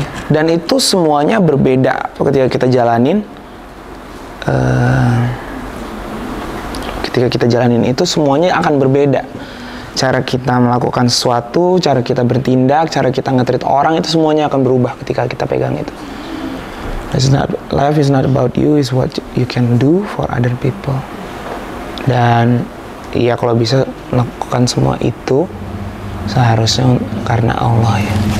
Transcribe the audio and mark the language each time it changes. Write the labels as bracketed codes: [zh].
[id] Dan itu semuanya berbeda ketika kita jalanin. Ketika kita jalanin itu semuanya akan berbeda. Cara kita melakukan sesuatu, cara kita bertindak, cara kita nge-treat orang, itu semuanya akan berubah ketika kita pegang itu. [en] Life is not about you, it's what you can do for other people. [id] Dan ya kalau bisa melakukan semua itu seharusnya karena Allah ya.